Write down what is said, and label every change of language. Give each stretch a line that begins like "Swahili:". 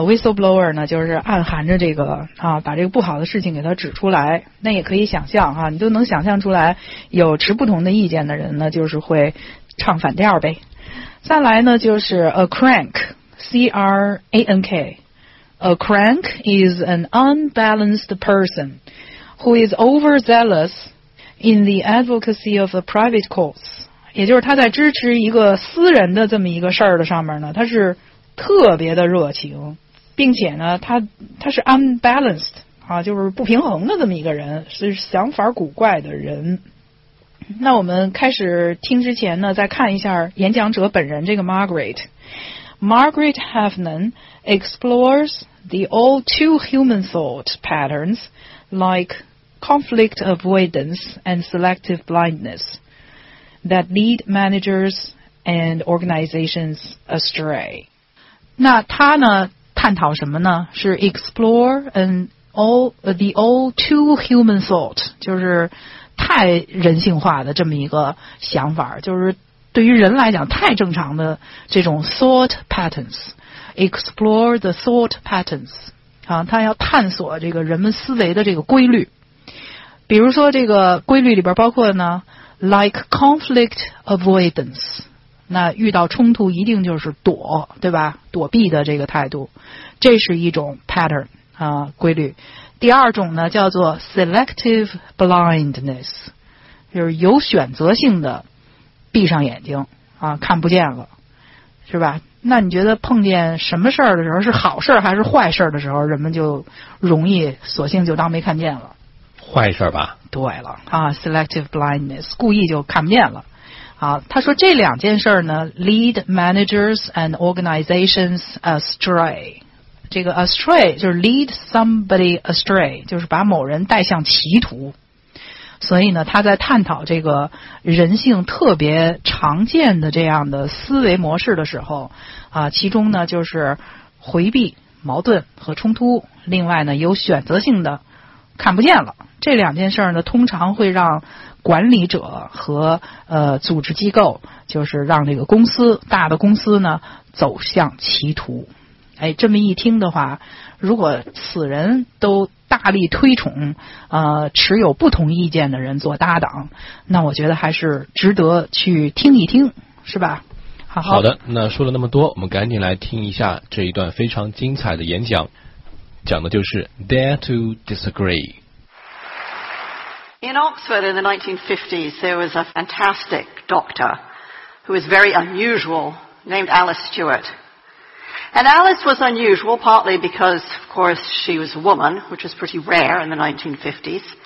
Chinese: whistleblower 呢就是暗含着这个啊，把这个不好的事情给它指出来。那也可以想象啊，你都能想象出来，有持不同的意见的人呢就是会唱反调呗。再来呢就是 a crank， C-R-A-N-K，
English: A crank is an unbalanced person who is overzealous in the advocacy of a private cause.
Chinese: 也就是他在支持一个私人的这么一个事儿的上面呢，他是特别的热情，并且呢，他是 unbalanced 啊，就是不平衡的这么一个人，是想法古怪的人。那我们开始听之前呢，再看一下演讲者本人这个 Margaret。
English: Margaret Heffernan explores the all too human thought patterns like conflict avoidance and selective blindness that lead managers and organizations astray.
Chinese: 那他呢探讨什么呢？是
English: explore the all too human thought，
Chinese: 就是太人性化的这么一个想法，就是对于人来讲太正常的这种 thought patterns，
English: explore the thought patterns，
Chinese: 啊，他要探索这个人们思维的这个规律。比如说这个规律里边包括呢
English: like conflict avoidance，
Chinese: 那遇到冲突一定就是躲，对吧，躲避的这个态度，这是一种 pattern， 啊，规律。第二种呢叫做 selective blindness， 就是有选择性的闭上眼睛啊，看不见了，是吧？那你觉得碰见什么事儿的时候，是好事还是坏事的时候，人们就容易索性就当没看见了？坏事吧。对了啊 ，selective blindness， 故意就看不见了。啊，他说这两件事呢 ，
English: lead managers and organizations astray。
Chinese: 这个 astray 就是
English: lead somebody astray，
Chinese: 就是把某人带向歧途。所以呢，他在探讨这个人性特别常见的这样的思维模式的时候，啊，其中呢就是回避矛盾和冲突，另外呢有选择性的看不见了，这两件事呢，通常会让管理者和组织机构，就是让这个公司大的公司呢走向歧途。哎，这么一听的话，如果此人都大力推崇持有不同意见的人做搭档，那我觉得还是值得去听一听，是吧？好的，那说了那么多，我们赶紧来听一下这一段非常精彩的演讲，讲的就是 Dare to Disagree。
English: In Oxford in the 1950s there was a fantastic doctor who was very unusual named Alice StewartAnd Alice was unusual, partly because, of course, she was a woman, which was pretty rare in the 1950s.